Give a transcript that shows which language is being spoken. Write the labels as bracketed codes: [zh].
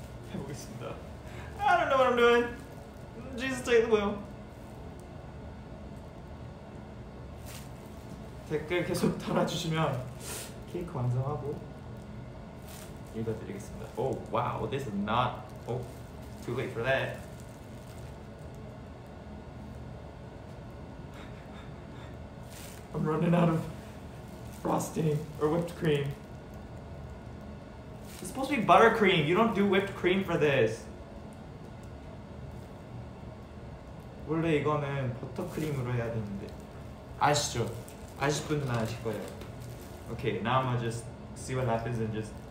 [ko] 해보겠습니다. [en] I don't know what I'm doing. Jesus, [ko] 저 이거요. 댓글 계속 달아주시면 케이크 완성하고 읽어드리겠습니다. [en] Oh wow, this is not oh too late for that. I'm running out of frosting or whipped cream. It's supposed to be buttercream. You don't do whipped cream for this. [ko] 원래 이거는 버터크림으로 해야 되는데 아시죠? 아쉽분은 아실 거예요. [en] Okay, now I'm gonna just see what happens and just.